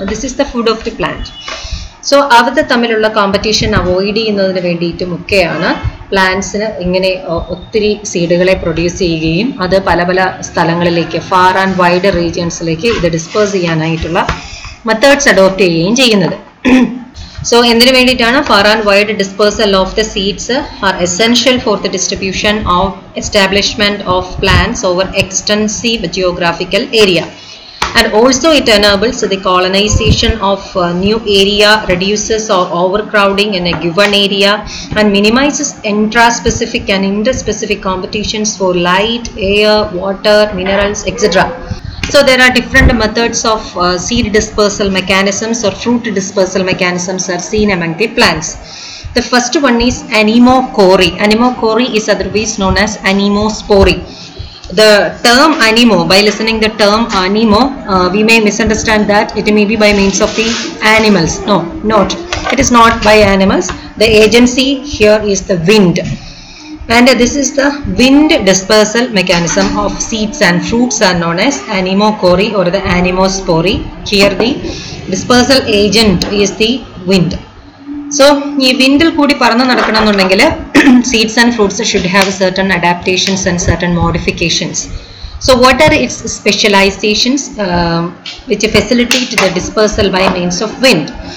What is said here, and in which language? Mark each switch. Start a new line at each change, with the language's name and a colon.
English: This is the food of the plant.
Malayalam: So അവരുടെ തമ്മിലുള്ള competition avoid ചെയ്യുന്നതിന് വേണ്ടിയിട്ടും ഒക്കെയാണ് പ്ലാന്റ്സിന് ഇങ്ങനെ ഒത്തിരി സീഡുകളെ പ്രൊഡ്യൂസ് ചെയ്യുകയും അത് പല പല സ്ഥലങ്ങളിലേക്ക്, ഫാർ ആൻഡ് വൈഡ് റീജിയൻസിലേക്ക് ഇത് ഡിസ്പേഴ്സ് ചെയ്യാനായിട്ടുള്ള മെത്തേഡ്സ് അഡോപ്റ്റ് ചെയ്യുകയും ചെയ്യുന്നത്. സോ എന്തിനു വേണ്ടിയിട്ടാണ്?
English: Far and wide dispersal of the seeds are essential for the distribution of establishment of plants over extensive geographical area. And also it enables the colonization of new area, reduces overcrowding in a given area, and minimizes intra-specific and inter-specific competitions for light, air, water, minerals, etc. So there are different methods of seed dispersal mechanisms or fruit dispersal mechanisms are seen among the plants. The first one is anemochory. Anemochory is otherwise known as anemospory. The term anemo, by listening the term anemo, we may misunderstand that it may be by means of the animals. No, not. It is not by animals. The agency here is the wind. And this is the wind dispersal mechanism of seeds and fruits are known as anemochory or the anemospory. Here the dispersal agent is the wind.
Malayalam: So ഈ വിൻഡിൽ കൂടി പറന്ന് നടക്കണം എന്നുണ്ടെങ്കിൽ
English: Seeds and fruits should have certain adaptations and certain modifications. So what are its specialisations which facilitate the dispersal by means of wind?